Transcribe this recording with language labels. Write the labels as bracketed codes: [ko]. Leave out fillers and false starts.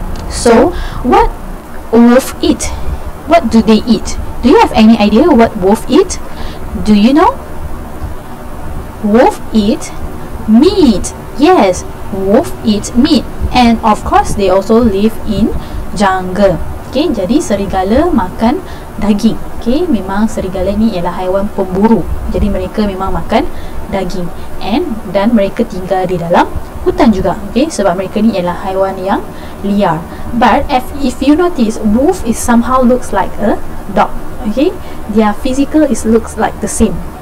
[en] So what wolf eat? What do they eat? Do you have any idea what wolf eat? Do you know? Wolf eat meat. Yes, wolf eat meat, and of course they also live in jungle. [ms] Okay, jadi serigala makan daging. Okay, memang serigala ni ialah haiwan pemburu. Jadi mereka memang makan daging, and dan mereka tinggal di dalam hutan juga. Okay, sebab mereka ni ialah haiwan yang liar. [en] But if you notice, wolf is somehow looks like a dog. Okay, their physical is looks like the same.